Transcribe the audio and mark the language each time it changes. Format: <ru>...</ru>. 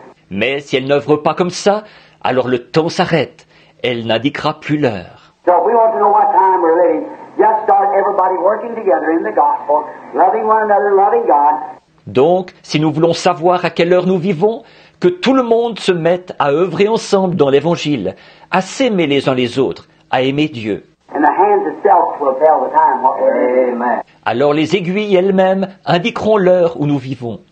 <fr>Mais si elle n'œuvre pas comme ça, alors le temps s'arrête. Elle n'indiquera plus l'heure.</fr> <en>So if we want to know what time we're living, just start everybody working together in the gospel, loving one another, loving God.</en> <fr>Donc, si nous voulons savoir à quelle heure nous vivons, que tout le monde se mette à œuvrer ensemble dans l'Évangile, à s'aimer les uns les autres, à aimer Dieu.</fr> <en>And the hands itself will tell the time. Amen.</en> <fr>Alors les aiguilles elles-mêmes indiqueront l'heure où nous vivons.</fr>